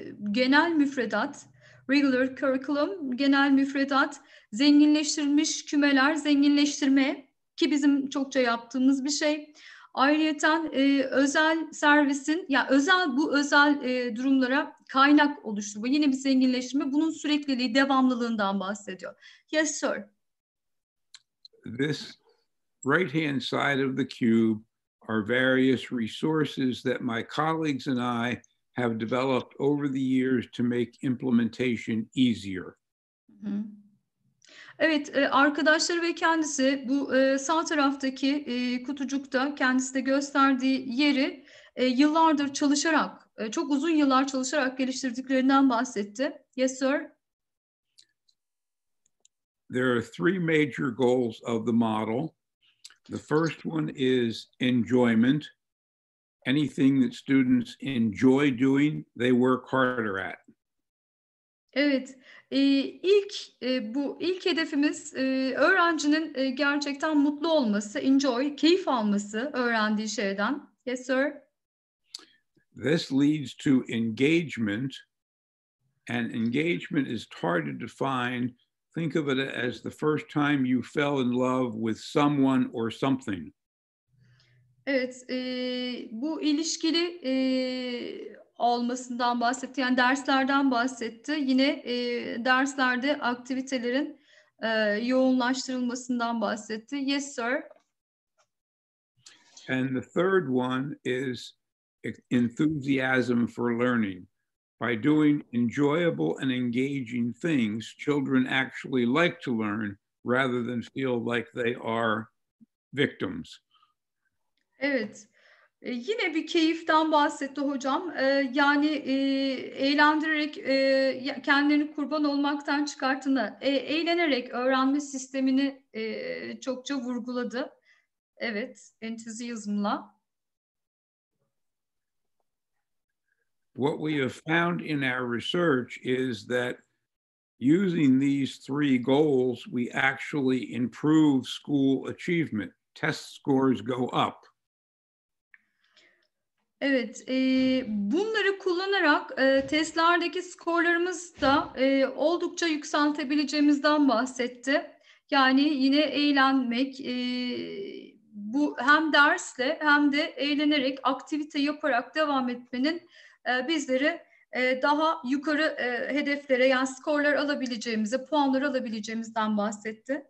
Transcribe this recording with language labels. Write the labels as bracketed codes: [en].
[tr] Genel müfredat, [en] regular curriculum, [tr] genel müfredat, zenginleştirilmiş kümeler, zenginleştirme ki bizim çokça yaptığımız bir şey. Ayrıca özel servisin, ya yani özel bu özel durumlara kaynak oluşturma, yine bir zenginleştirme, bunun sürekliliği, devamlılığından bahsediyor. [en] Yes, sir. This right-hand side of the cube are various resources that my colleagues and I have developed over the years to make implementation easier. [tr] Evet, arkadaşları ve kendisi bu sağ taraftaki kutucukta kendisi de gösterdiği yeri yıllardır çalışarak, çok uzun yıllar çalışarak geliştirdiklerinden bahsetti. [en] Yes, sir. There are three major goals of the model. The first one is enjoyment. Anything that students enjoy doing, they work harder at. [tr] Evet, ilk hedefimiz öğrencinin gerçekten mutlu olması, enjoy, keyif alması öğrendiği şeyden. [en] Yes, sir. This leads to engagement, and engagement is hard to define. Think of it as the first time you fell in love with someone or something. [tr] Evet, bu ilişkili olmasından bahsetti. Yani derslerden bahsetti. Yine derslerde aktivitelerin yoğunlaştırılmasından bahsetti. [en] Yes, sir. And the third one is enthusiasm for learning. By doing enjoyable and engaging things, children actually like to learn rather than feel like they are victims. [tr] Evet, yine bir keyiften bahsetti hocam. Yani eğlendirerek kendilerini kurban olmaktan çıkarttığını, eğlenerek öğrenme sistemini çokça vurguladı. Evet, enthusiasm'la. [en] What we have found in our research is that using these three goals, we actually improve school achievement. Test scores go up. [tr] Evet, bunları kullanarak testlerdeki skorlarımızı da oldukça yükseltebileceğimizden bahsetti. Yani yine eğlenmek, bu hem dersle hem de eğlenerek, aktivite yaparak devam etmenin bizleri daha yukarı hedeflere, yani skorlar alabileceğimize, puanlar alabileceğimizden bahsetti.